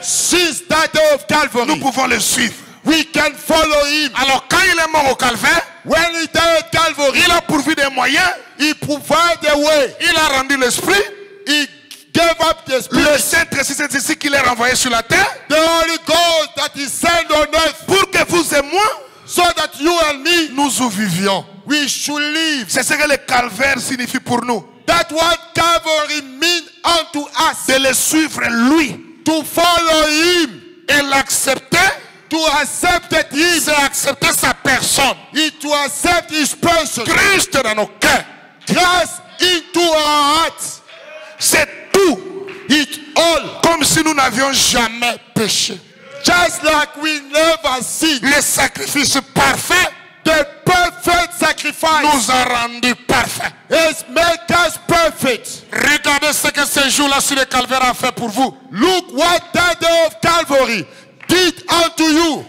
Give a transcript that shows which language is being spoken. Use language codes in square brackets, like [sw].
[en] since that day of Calvary, [fr] nous pouvons le suivre. [en] We can follow him. [fr] Alors quand il est mort au calvaire, [en] when he died at Calvary, [fr] il a pourvu des moyens. [en] He provided the way. [fr] Il a rendu l'esprit. [en] He gave up the spirit. [fr] Le Saint-Esprit, c'est ici qu'il est renvoyé sur la terre. [en] The Holy Ghost that he sent on earth. [fr] Pour que vous et moi. [en] So that you and me, [fr] nous où vivions. [en] We should live. [fr] C'est ce que le calvaire signifie pour nous. [en] That what Calvary means unto us. [fr] De le suivre lui. [en] To follow him. [fr] Et l'accepter. [en] To accept that he is. [fr] C'est accepter sa personne. [en] It to accept his person. [fr] Christ dans nos cœurs. [en] Christ into our hearts. [fr] C'est tout. [en] It all. [fr] Comme si nous n'avions jamais péché. [en] Just like we never see. [fr] Le sacrifice parfait. [en] The perfect sacrifice. [fr] Nous a rendu parfait. [en] It makes us perfect. [fr] Regardez ce que ce jour-là sur le calvaire a fait pour vous. [en] Look what that day of Calvary did unto you.